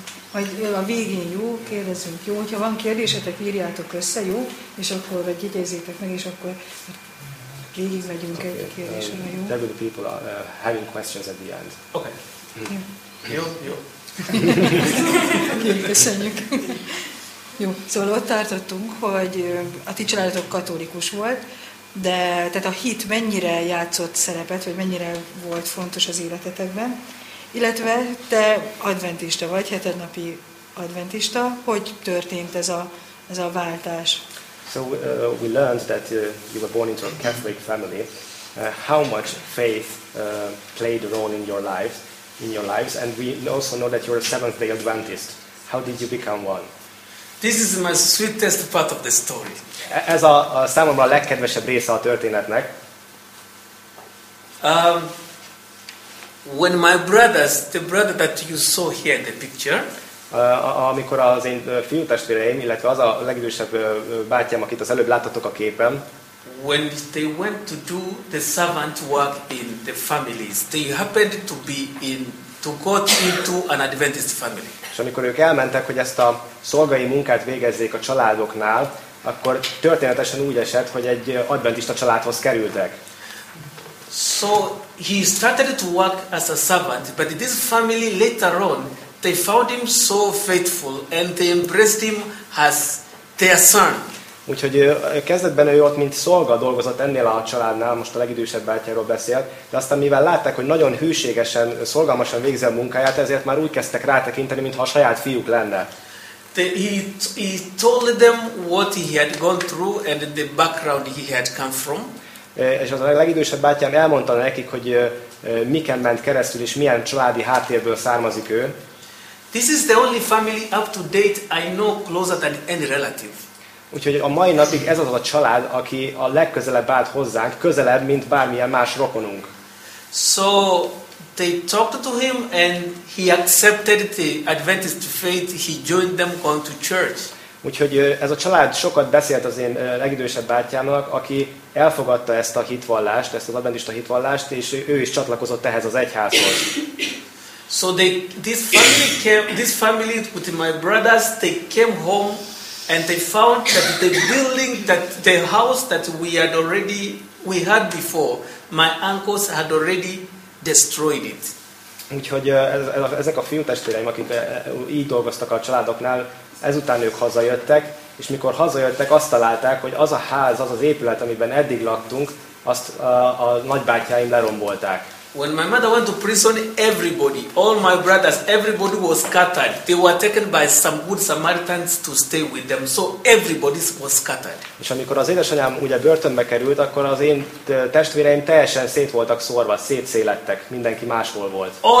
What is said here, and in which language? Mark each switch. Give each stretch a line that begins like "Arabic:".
Hungarian: Hogy a végén jó, kérdezünk, jó, hogyha van kérdésetek, írjátok össze, jó, és akkor jegyezzétek meg, és akkor végig megyünk egy kérdésen, jó?
English: There will be people are having questions at the end. Okay.
Hungarian: Jó. Köszönjük. Jó, szóval ott tartottunk, hogy a ti családotok katolikus volt, de tehát a hit mennyire játszott szerepet, vagy mennyire volt fontos az életetekben? Illetve te adventista vagy, hetednapi adventista. Hogy történt ez a váltás?
English: So we learned that you were born into a Catholic family. How much faith played a role in your life, And we also know that you're a Seventh-day Adventist. How did you become one? This is my sweetest part of the story.
Hungarian: Ez a számomra a legkedvesebb része a történetnek.
English: When my brothers, the brother that you saw here in the picture,
Hungarian: amikor az én fiútestvéreim, illetve az a legidősebb bátyám, akit az előbb láttatok a képen,
English: when they went to do the servant work in the families, they happened to be in to go into an Adventist family.
Hungarian: És amikor ők elmentek, hogy ezt a szolgai munkát végezzék a családoknál, akkor történetesen úgy esett, hogy egy adventista családhoz kerültek.
English: So he started to work as a servant, but this family later on they found him so faithful and they embraced him as their son.
Hungarian: Úgyhogy kezdetben ő ott mint szolga dolgozott ennél a családnál, most a legidősebb bátyáról beszélt, de aztán mivel látták, hogy nagyon hűségesen, szolgalmasan végzi a munkáját, ezért már úgy kezdtek rátekinteni, mintha a saját fiúk lenne.
English: He told them what he had gone through and the background he had come from.
Hungarian: És az a legidősebb bátyám elmondta nekik, hogy miken ment keresztül és milyen családi háttérből származik ő.
English: This is the only family up to date I know closer than any relative.
Hungarian: Úgyhogy a mai napig ez az a család, aki a legközelebb állt hozzánk, közelebb, mint bármilyen más rokonunk.
English: So they talked to him and he accepted the Adventist faith. He joined them going to church.
Hungarian: Úgyhogy ez a család sokat beszélt az én legidősebb bátyámnak, aki elfogadta ezt a hitvallást, ezt az adventista hitvallást, és ő is csatlakozott ehhez az egyházhoz.
English: So this family with my brothers, they came home and they found that the building, that the house that we had before, my uncles had already destroyed it.
Hungarian: Úgyhogy ezek a fiú testvéreim, akik így dolgoztak a családoknál, ezután ők hazajöttek, és mikor hazajöttek, azt találták, hogy az a ház, az az épület, amiben eddig laktunk, azt a nagybátyáim lerombolták.
English: When my mother went to prison, everybody, all my brothers, everybody was scattered. They were taken by some good Samaritans to stay with them, so everybody was scattered.
Hungarian: És amikor az édesanyám ugye börtönbe került, akkor az én testvéreim teljesen szét voltak szórva, szétszélettek, mindenki máshol volt.